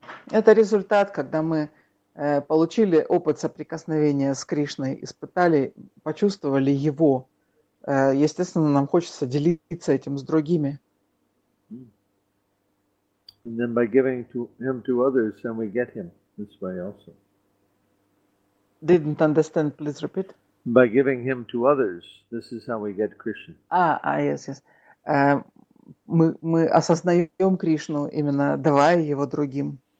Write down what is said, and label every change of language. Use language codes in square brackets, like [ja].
[ru] Это результат, когда мы получили опыт соприкосновения с Кришной, испытали, почувствовали его. Естественно, нам хочется делиться этим с другими. [en] And then by giving to him to others, then we get him this way also. Didn't understand, please repeat. By giving him to others, this is how we get Krishna. Yes. [ru] Мы осознаем Кришну, именно давая его другим.